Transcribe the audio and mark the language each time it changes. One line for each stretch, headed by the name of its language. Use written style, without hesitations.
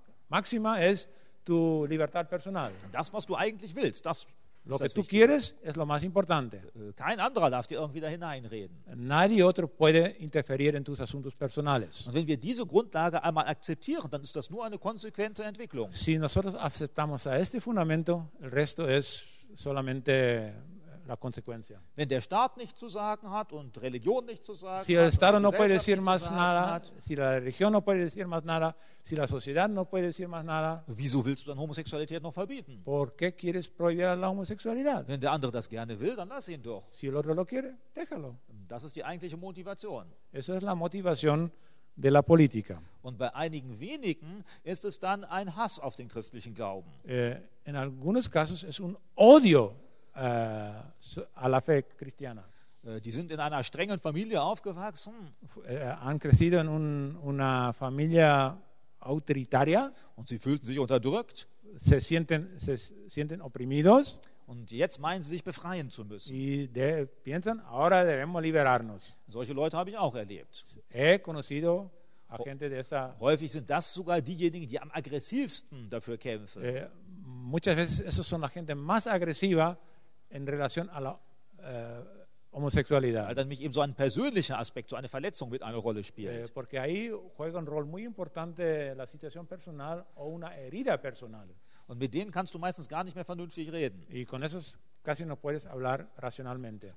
Spanish: máxima es tu libertad personal.
German: Das, was du eigentlich willst, das
Spanish: lo que tú quieres es lo más importante.
German: Kein anderer darf dir irgendwie da hineinreden.
Spanish: Nadie otro puede interferir en tus asuntos personales.
German: Und wenn wir diese Grundlage einmal akzeptieren, dann ist das nur eine konsequente Entwicklung.
Spanish: Si nosotros aceptamos a este fundamento, el resto es solamente la consecuencia.
German: Wenn der Staat nicht zu sagen hat und Religion nicht zu sagen
Spanish: si
German: hat,
Spanish: el Estado no puede decir más nada, si la religión no puede decir más nada, si la sociedad no puede decir más nada,
German: wieso willst du dann Homosexualität noch verbieten?
Spanish: ¿Por qué quieres prohibir la homosexualidad?
German: Wenn der andere das gerne will, dann lass ihn doch.
Spanish: Si el otro lo quiere, déjalo.
German: Das ist die eigentliche Motivation.
Spanish: Esa es la motivación de la política.
German: Und bei einigen wenigen ist es dann ein Hass auf den christlichen Glauben.
Spanish: En algunos casos es un odio a la fe cristiana.
German: Die sind in einer strengen Familie aufgewachsen.
Spanish: Han crecido en una familia autoritaria.
German: Und sie fühlten sich unterdrückt.
Spanish: Se sienten oprimidos.
German: Und jetzt meinen sie sich befreien zu müssen.
Spanish: Y piensan, ahora debemos liberarnos.
German: Solche Leute habe ich auch erlebt.
Spanish: He conocido a gente de esa.
German: Häufig sind das sogar diejenigen, die am aggressivsten dafür kämpfen.
Spanish: Muchas veces esos son la gente más agresiva en relación a la homosexualidad.
German: Weil dann mich eben so ein persönlicher Aspekt, so eine Verletzung mit einer Rolle spielt.
Spanish: Porque ahí juega un rol muy importante la situación personal o una herida personal.
German: Und mit denen kannst du meistens gar nicht mehr vernünftig reden.
Spanish: Y con esos casi no puedes hablar racionalmente.